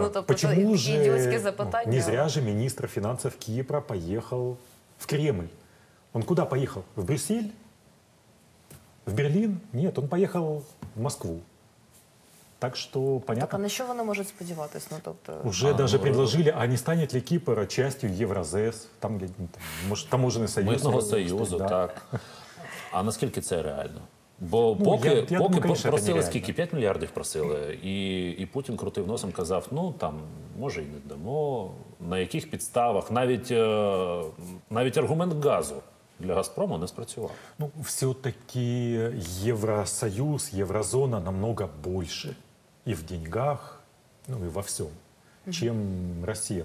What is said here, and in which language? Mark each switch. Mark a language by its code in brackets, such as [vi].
[uk] Ну, тобто, це ідіотське запитання. Не зря же міністр фінансів Кіпра поїхав в Кремль. Він куди поїхав? В Брюссель? В Берлін? Ні, він поїхав в Москву. Так что понятно. Так, а на що вони можуть сподіватися? Ну, тобто... [ru] Уже даже предложили, а не станет ли Кіпр частью Євразес, там, может, таможенный союз. [uk] Мирного союзу, да. Так. А наскільки це реально? Бо поки, ну, поки думаю, просили, скільки? 5 мільярдів просили. І Путін крутив носом, казав, ну, там, може, і не дамо. На яких підставах? Навіть аргумент газу для «Газпрому» не спрацював. Ну, все-таки Євросоюз, Єврозона намного більше і в деньгах, ну і во всьому, чим Росія.